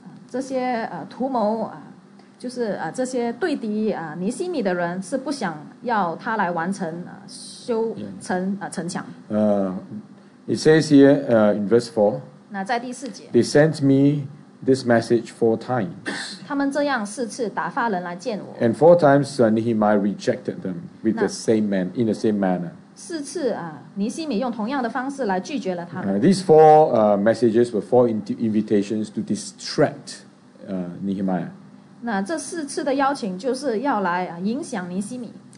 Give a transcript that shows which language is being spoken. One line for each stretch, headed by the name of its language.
Chinese: 这些图谋就是这些对敌尼西米的人是不想要他来完成修城墙。
English: It says here in verse 4.
Chinese: 那在第四节,
English: they sent me this message 4 times.
Chinese: 他们这样4次打发人来见我。
English: And 4 times Nehemiah rejected them with the same man in the same manner.
Chinese: 4次尼西米用同样的方式来拒绝了他们。
English: These 4 messages were 4 invitations to distract Nehemiah.
Chinese: 那这4次的邀请就是要来影响尼西米。